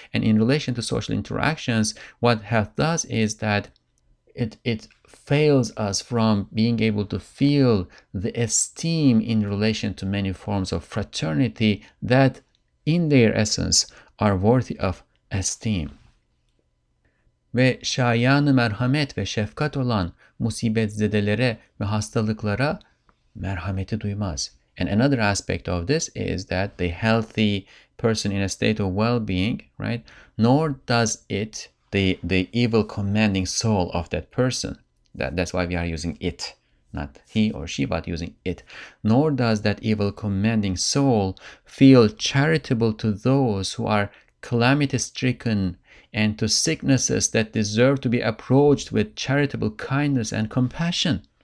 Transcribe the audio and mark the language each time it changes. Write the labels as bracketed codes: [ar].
[en] And in relation to social interactions, what health does is that it fails us from being able to feel the esteem in relation to many forms of fraternity that, in their essence, are worthy of esteem. [tr] Ve şayan-ı merhamet ve şefkat olan musibetzedelere ve hastalıklara merhameti duymaz. [en] And another aspect of this is that the healthy person in a state of well-being, right, nor does it the evil commanding soul of that person. That's why we are using it, not he or she, but using it. Nor does that evil commanding soul feel charitable to those who are calamity stricken and to sicknesses that deserve to be approached with charitable kindness and compassion.